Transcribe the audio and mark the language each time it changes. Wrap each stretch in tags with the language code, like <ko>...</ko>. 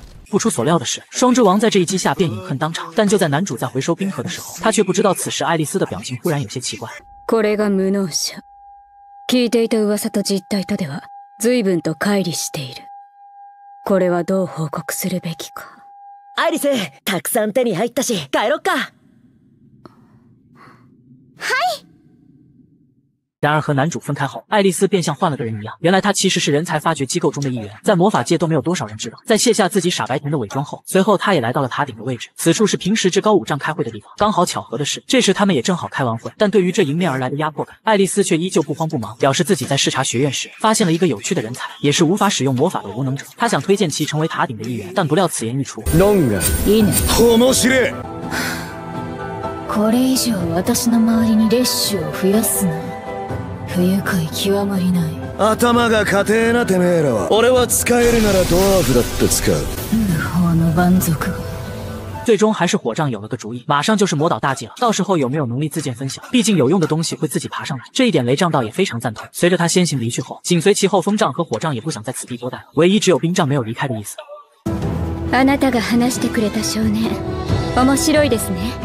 <zh>不出所料的是，双之王在这一击下便饮恨当场。但就在男主在回收冰河的时候，他却不知道此时爱丽丝的表情忽然有些奇怪。</zh> <ja>これが無能者。聞いていた噂と実態とでは随分と乖離している。これはどう報告するべきか。アイリス、たくさん手に入ったし、帰ろっか。はい。</ja> <zh>然而和男主分开后，爱丽丝便像换了个人一样。原来她其实是人才发掘机构中的一员，在魔法界都没有多少人知道。在卸下自己傻白甜的伪装后，随后她也来到了塔顶的位置。此处是平时至高五丈开会的地方。刚好巧合的是，这时他们也正好开完会。但对于这迎面而来的压迫感，爱丽丝却依旧不慌不忙，表示自己在视察学院时发现了一个有趣的人才，也是无法使用魔法的无能者。她想推荐其成为塔顶的一员，但不料此言一出，能人，</zh> <ja>いいね。面白い。これ以上私の周りに列車を増やすな。不愉快極まりない。頭が固えなてめえらは。俺は使えるならドワーフだって使う。無法の蛮族。</ja> <zh>最终还是火杖有了个主意，马上就是魔导大祭了，到时候有没有能力自荐分享，毕竟有用的东西会自己爬上来，这一点雷杖倒也非常赞同。随着他先行离去后，紧随其后风杖和火杖也不想在此地多待，唯一只有冰杖没有离开的意思。</zh> <ja>あなたが話してくれた少年、面白いですね。</ja>